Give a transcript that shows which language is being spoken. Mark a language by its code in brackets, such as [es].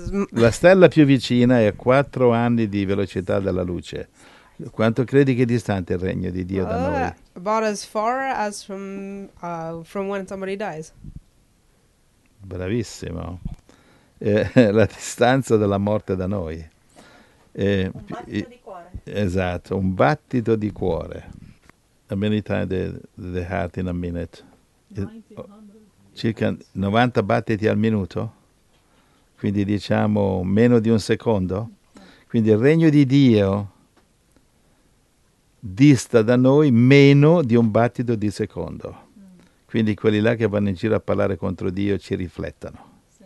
[it] la stella più vicina è a 4 anni di velocità della luce. Quanto credi che è distante il regno di Dio da noi? [en] About as far as from when somebody dies. [it] Bravissimo. La distanza della morte da noi. Un battito di cuore. Esatto, un battito di cuore. [en] How many times the heart in a minute? [it] Circa 90 battiti al minuto? Quindi diciamo meno di un secondo? Quindi il regno di Dio dista da noi meno di un battito di secondo. Quindi quelli là che vanno in giro a parlare contro Dio ci riflettono.